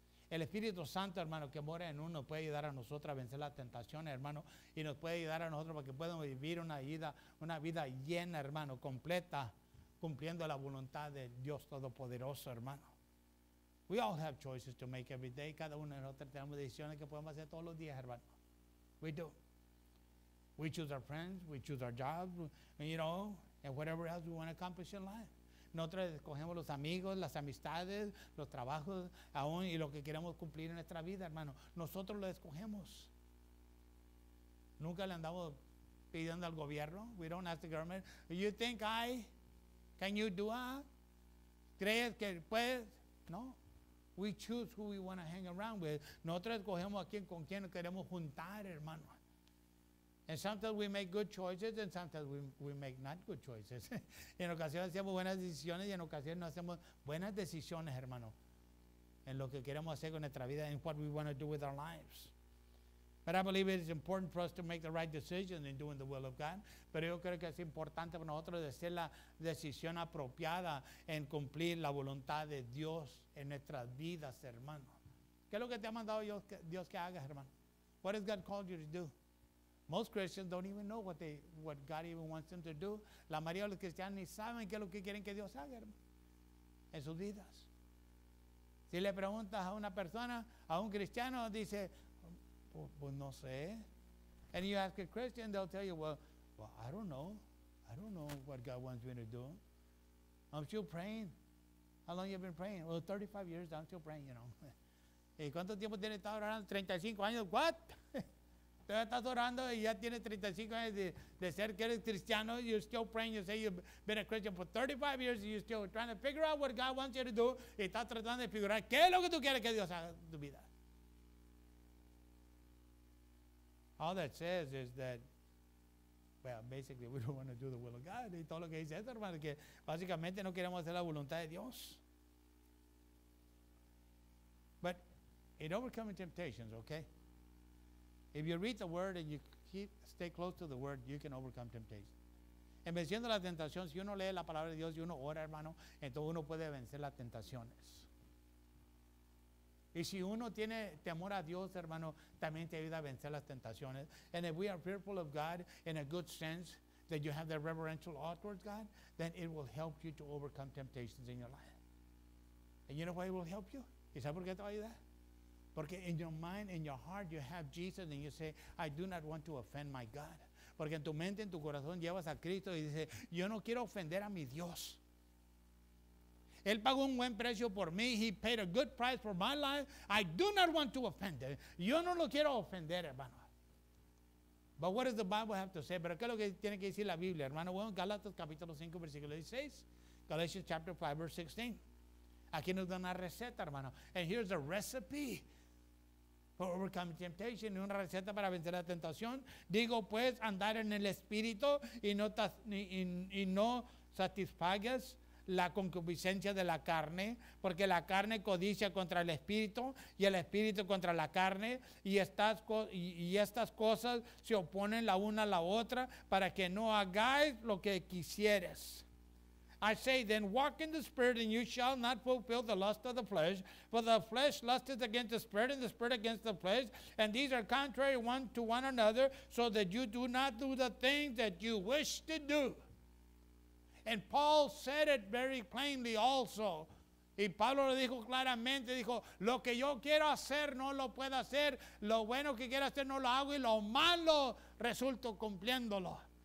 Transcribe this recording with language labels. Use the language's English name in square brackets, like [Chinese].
[Spanish] El Espíritu Santo, hermano, que mora en uno, puede ayudar a nosotros a vencer las tentaciones, hermano, y nos puede ayudar a nosotros para que podamos vivir una vida llena, hermano, completa, cumpliendo la voluntad de Dios Todopoderoso, hermano. [English] We all have choices to make every day. [Spanish] Cada uno de nosotros tenemos decisiones que podemos hacer todos los días, hermano. [English] We do. We choose our friends, we choose our jobs, you know, and whatever else we want to accomplish in life. [Spanish] Nosotros escogemos los amigos, las amistades, los trabajos, aún y lo que queremos cumplir en nuestra vida, hermano. Nosotros lo escogemos. Nunca le andamos pidiendo al gobierno. [English] We don't ask the government. You think I can you do that? [Spanish] ¿Crees que puedes? No. [English] We choose who we want to hang around with. [Spanish] Nosotros escogemos a quién con quién queremos juntar, hermano. [English] And sometimes we make good choices and sometimes we make not good choices. [Spanish] En ocasiones hacemos buenas decisiones y en ocasiones no hacemos buenas decisiones, hermano. En lo que queremos hacer con nuestra vida, [English] in what we want to do with our lives. But I believe it is important for us to make the right decision in doing the will of God. [Spanish] Pero yo creo que es importante para nosotros hacer la decisión apropiada en cumplir la voluntad de Dios en nuestras vidas, hermano. ¿Qué es lo que te ha mandado Dios que hagas, hermano? [English] What has God called you to do? Most Christians don't even know what God even wants them to do. [Spanish] La mayoría de los cristianos ni saben qué es lo que quieren que Dios haga, hermano, en sus vidas. Si le preguntas a una persona, a un cristiano, dice, pues no sé. [English] And you ask a Christian, they'll tell you, well, I don't know. I don't know what God wants me to do. I'm still praying. How long have you been praying? Well, 35 years, I'm still praying, you know. [Spanish] ¿Y cuánto tiempo tiene estado orando? 35 años. [English] What? [Spanish] Tú estás orando y ya tienes 35 años de ser que eres cristiano. [English] You're still praying. You say you've been a Christian for 35 years and you're still trying to figure out what God wants you to do. [Spanish] Y estás tratando de figurar qué es lo que tú quieres que Dios haga en tu vida. [English] All that says is that, well, basically we don't want to do the will of God. [Spanish] Y todo lo que dice esto, hermano, que básicamente no queremos hacer la voluntad de Dios. [English] But in overcoming temptations, okay? If you read the word and you keep stay close to the word, you can overcome temptation. [Spanish] En venciendo la tentación, si uno lee la palabra de Dios y uno ora, hermano, entonces uno puede vencer las tentaciones. Y si uno tiene temor a Dios, hermano, también te ayuda a vencer las tentaciones. [English] And if we are fearful of God in a good sense, that you have the reverential awe towards God, then it will help you to overcome temptations in your life. And you know why it will help you? [Spanish] ¿Y sabes por qué te va a ayudar? Porque [English] in your mind, in your heart, you have Jesus and you say, I do not want to offend my God. [Spanish] Porque en tu mente, en tu corazón, llevas a Cristo y dices, yo no quiero ofender a mi Dios. Él pagó un buen precio por mí. [English] He paid a good price for my life. I do not want to offend him. [Spanish] Yo no lo quiero ofender, hermano. [English] But what does the Bible have to say? [Spanish] Pero ¿qué es lo que tiene que decir la Biblia, hermano? Bueno, Galatas capítulo 5, versículo 16. [English] Galatians chapter 5, verse 16. [Spanish] Aquí nos da una receta, hermano. [English] And here's a recipe for overcoming temptation. [Spanish] Una receta para vencer la tentación. Digo, pues, andar en el espíritu y no satisfagas la concupiscencia de la carne, porque la carne codicia contra el espíritu y el espíritu contra la carne, y estas cosas se oponen la una a la otra para que no hagáis lo que quisieres. [English] I say then, walk in the Spirit, and you shall not fulfill the lust of the flesh. For the flesh lusteth against the Spirit, and the Spirit against the flesh. And these are contrary one to one another, so that you do not do the things that you wish to do. And Paul said it very plainly also. [Spanish] Y Pablo lo dijo claramente, dijo, lo que yo quiero hacer no lo puedo hacer, lo bueno que quiero hacer no lo hago, y lo malo resulto cumpliéndolo.